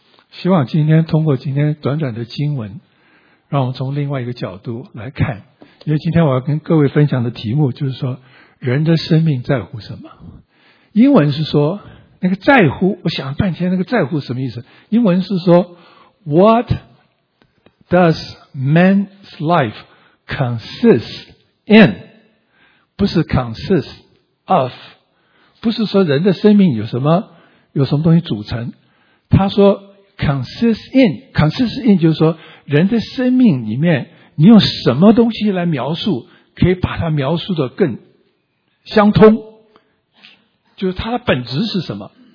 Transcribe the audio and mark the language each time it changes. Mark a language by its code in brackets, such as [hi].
[zh] 希望今天通过今天短短的经文，让我们从另外一个角度来看。因为今天我要跟各位分享的题目就是说，人的生命在乎什么。英文是说那个在乎，我想了半天那个在乎什么意思。英文是说 [en] What does man's life consist in? [zh] 不是 [en] consist of， [zh] 不是说人的生命有什么东西组成。他说 [en] consist in [zh] 就是说人的生命里面你用什么东西来描述可以把它描述的更相通，就是它的本质是什么。